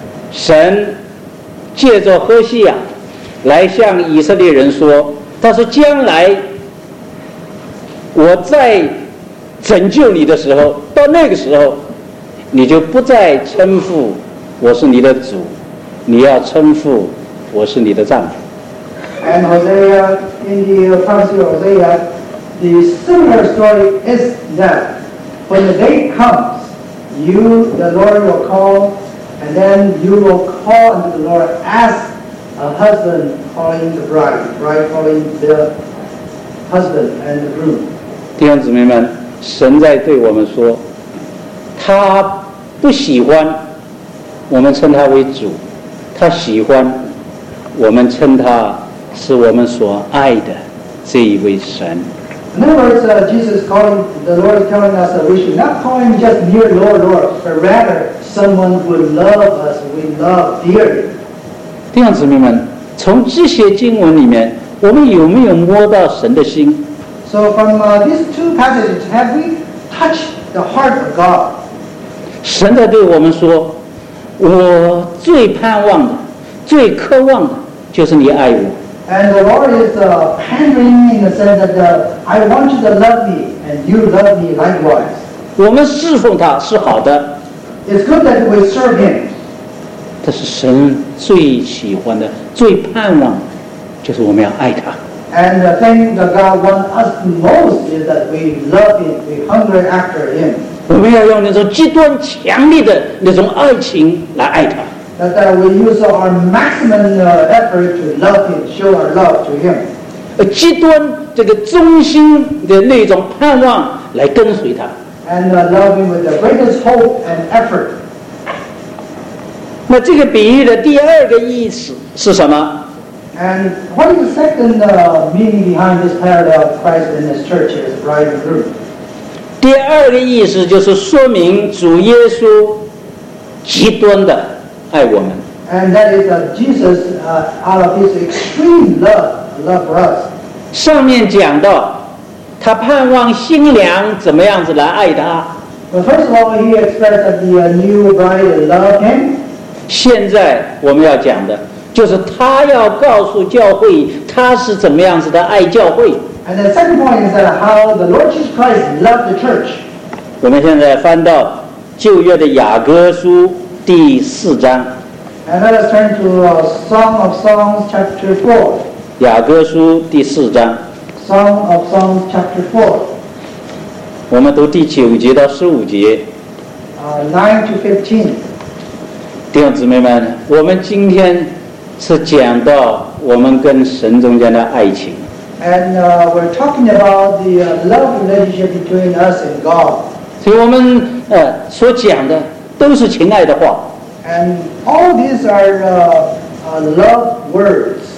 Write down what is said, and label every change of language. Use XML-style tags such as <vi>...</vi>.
<zh>神借着何西亚来向以色列人说，他说将来。” 我在拯救你的时候，到那个时候，你就不再称呼我是你的主，你要称呼我是你的丈夫。</zh> <en>And Hosea, in the prophecy of Hosea, the similar story is that when the day comes, you, the Lord will call, and then you will call unto the Lord as a husband calling the bride, bride calling the husband and the groom.</en> <zh>弟兄姊妹们，神在对我们说，他不喜欢我们称他为主，他喜欢我们称他是我们所爱的这一位神。</zh> <en>In other words, Jesus calling, the Lord is telling us that we should not call him just dear Lord, Lord, but rather someone who loves us, we love dearly.</en> <zh>弟兄姊妹们，从这些经文里面，我们有没有摸到神的心？</zh> <en>So from these two passages, have we touched the heart of God?</en> <zh>神在对我们说，我最盼望的、最渴望的，就是你爱我。</zh> <en>And the Lord is pandering in the sense that I want you to love me, and you love me likewise.</en> <zh>我们侍奉他是好的。</zh> <en>It's good that we serve him.</en> <zh>这是神最喜欢的、最盼望的，就是我们要爱他。</zh> <en>And the thing that God wants us most is that we love Him, we hunger after Him.</en> <zh>我们要用那种极端强烈的那种爱情来爱他。</zh> <en>That we use our maximum effort to love Him, show our love to Him.</en> <zh>极端这个忠心的那种盼望来跟随他。</zh> <en>And love Him with the greatest hope and effort.</en> <zh>那这个比喻的第二个意思是什么？</zh> <en>And what is the second meaning behind this parable of Christ and His church as bride and groom?</en> <zh>第二个意思就是说明主耶稣极端的爱我们。</zh> <en>And that is that Jesus, out of His extreme love for us.</en> <zh>上面讲到他盼望新娘怎么样子来爱他。</zh> <en>Well, first of all, He expressed that the new bride loved Him.</en> <zh>现在我们要讲的。就是他要告诉教会他是怎么样子的爱教会。</zh> <en>And the second point is that how the Lord Jesus Christ loved the church.</en> <zh>我们现在翻到旧约的雅歌书第四章。</zh> <en>And let us turn to Song of Songs chapter 4.</en> <zh>雅歌书第四章。</zh> <en>Song of Songs chapter 4.</en> <zh>我们读第九节到十五节。</zh> <en>9-15.</en> <zh>弟兄姊妹们，我们今天是讲到我们跟神中间的爱情。</zh> <en>And we're talking about the love relationship between us and God.</en> <zh>所以我们所讲的都是情爱的话。</zh> <en>And all these are love words.</en>